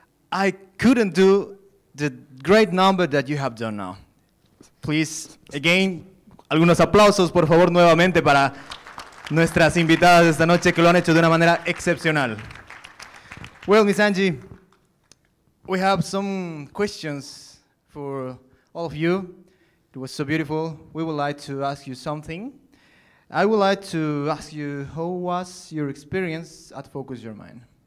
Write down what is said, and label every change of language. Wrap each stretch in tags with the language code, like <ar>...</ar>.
<en>I couldn't do the great number that you have done now. Please, again,</en> <es>algunos aplausos, por favor, nuevamente para nuestras invitadas esta noche que lo han hecho de una manera excepcional.</es> <en>Well, Ms. Sanji, we have some questions for all of you. It was so beautiful. We would like to ask you something. I would like to ask you, how was your experience at Focus Your Mind?</en>